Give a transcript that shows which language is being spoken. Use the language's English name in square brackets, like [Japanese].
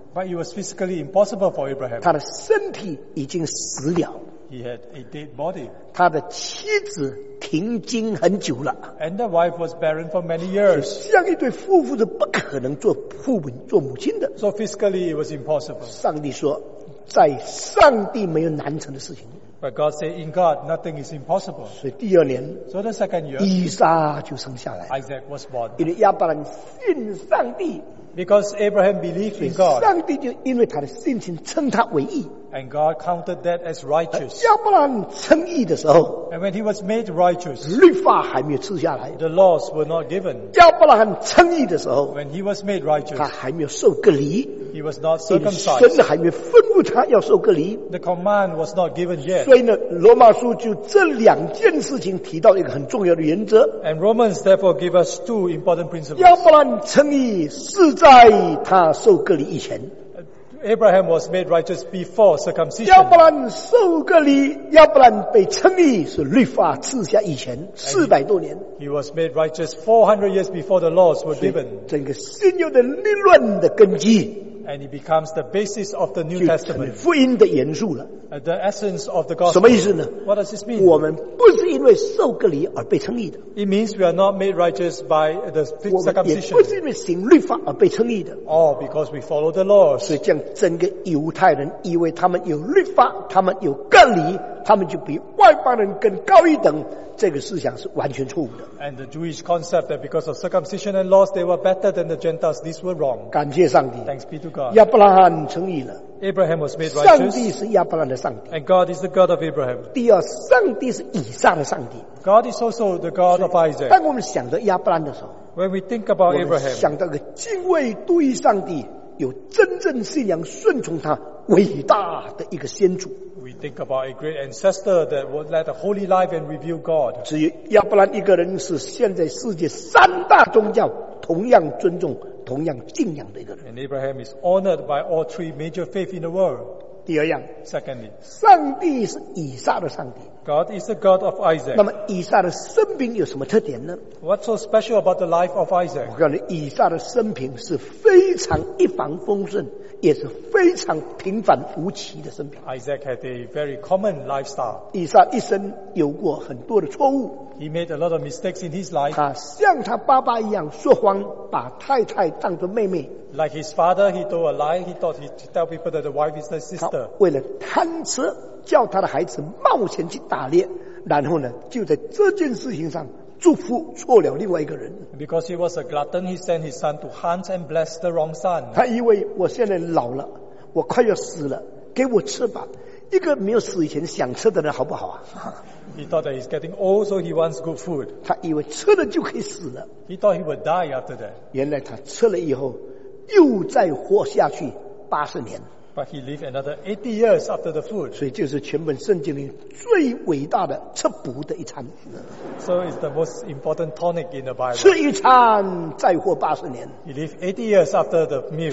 [English] But it was physically impossible for Abraham. [Chinese] 他的身体已经死了。 [English] He had a dead body. [Chinese] 他的妻子停经很久了。 [English] And the wife was barren for many years. [Chinese] 这样一对夫妇是不可能做父母、做母亲的。 [English] So physically it was impossible. [Chinese] 上帝说，在上帝没有难成的事情。 [English] But God said, "In God, nothing is impossible." [Chinese] 所以第二年 [English] ，So the second year, [Chinese] 以撒就生下来。 [English] Isaac was born. [Chinese] 因为亚伯兰信上帝 [English] ，Because Abraham believed in God. [Chinese] 上帝就因为他的信心称他为义。 [English] And God counted that as righteous. [Chinese] 亚伯兰称义的时候 [English] ，And when he was made righteous, [Chinese] 律法还没有赐下来。 [English] The laws were not given. [Chinese] 亚伯兰称义的时候 [English] ，When he was made righteous, [Chinese] 他还没有受割礼。 [English] He was not circumcised. [Chinese] 神还没吩咐他要受割礼。 [English] The command was not given yet. [Chinese] 所以呢，罗马书就这两件事情提到一个很重要的原则。 [English] And Romans therefore give us two important principles. [Chinese] 亚伯兰称义是在他受割礼以前。 [English] Abraham was made righteous before circumcision. [Chinese] 亚伯兰受割礼，亚伯兰被称义是律法赐下以前四百多年。 [English] He was made righteous 400 years before the laws were given. [Chinese] 整个新约的立论的根基。 [English] And it becomes the basis of the New Testament. [Chinese] 福音的元素了。 [English] The essence of the gospel. [Chinese] 什么意思呢 [English] ？What does this mean? [Chinese] 我们不是因为受割礼而被称义的。 [English] It means we are not made righteous by the circumcision. [Chinese] 我们也不是因为行律法而被称义的。 [English] Oh, because we follow the laws. [Chinese] 所以这样整个犹太人以为他们有律法，他们有割礼，他们就比外邦人更高一等，这个思想是完全错误的。 [English] And the Jewish concept that because of circumcision and laws they were better than the Gentiles, these were wrong. [Chinese] 感谢上帝。 [English] Thanks be to God. [Chinese] 亚伯拉罕称义了。 [English] Abraham was made righteous. [Chinese] 上帝是亚伯拉罕的上帝。 [English] And God is the God of Abraham. [Chinese] 第二，上帝是以撒的上帝。 [English] God is also the God of Isaac. [Chinese] 当我们想到亚伯拉罕的时候 [English] ，When we think about Abraham， [Chinese] 想到个敬畏对于上帝有真正信仰顺从他伟大的一个先祖。 [English] We think about a great ancestor that would lead a holy life and reveal God. [Chinese] 只有亚伯拉罕一个人是现在世界三大宗教同样尊重、同样敬仰的一个人。 [English] And Abraham is honored by all three major faith in the world. [Chinese] 第二样 [English] ，Secondly， [Chinese] 上帝是以撒的上帝。 [English] God is the God of Isaac. [Chinese] 那么以撒的生平有什么特点呢 [English] ？What's so special about the life of Isaac？ [Chinese] 我告诉你，以撒的生平是非常一帆风顺。也是非常平凡无奇的生平。 [English] Isaac had a very common lifestyle. [Chinese] 以撒一生有过很多的错误。 [English] He made a lot of mistakes in his life. [Chinese] 他像他爸爸一样说谎，把太太当作妹妹。 [English] Like his father, he told a lie. He thought he'd tell people that the wife is the sister. [Chinese] 他为了贪吃，叫他的孩子冒险去打猎，然后呢，就在这件事情上祝福错了另外一个人。 [English] Because he was a glutton, he sent his son to hunt and bless the wrong son. [Chinese] 他以为我现在老了，我快要死了，给我吃吧。一个没有死以前想吃的人好不好啊？ [English] He thought that he's getting old, so he wants good food. [Chinese] 他以为吃了就可以死了。 [English] He thought he would die after that. [Chinese] 原来他吃了以后，又再活下去80年。 [English] But he lived another 80 years after the food. [Chinese] 所以就是全本圣经里最伟大的吃补的一餐。 [English] So it's the most important tonic in the Bible. [Chinese] 吃一餐再活80年。 [English] He lived 80 years after the meal.